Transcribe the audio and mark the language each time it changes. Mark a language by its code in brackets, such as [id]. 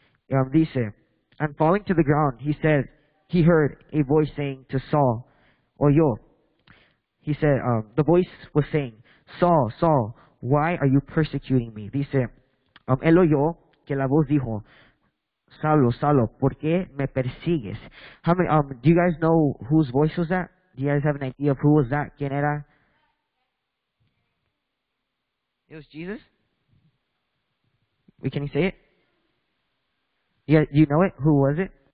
[es] Dice, [en] and falling to the ground, he heard a voice saying to Saul, [es] oyó. [en] He said, the voice was saying, Saul, Saul, why are you persecuting me? [es] Dice, él oyó que la voz dijo, Saulo, Saulo, ¿por qué me persigues? [en] How many, do you guys know whose voice was that? Do you guys have an idea of who was that? [es] ¿Quién era? [en] It was Jesus? Can you say it? Yeah, you know it? Who was it?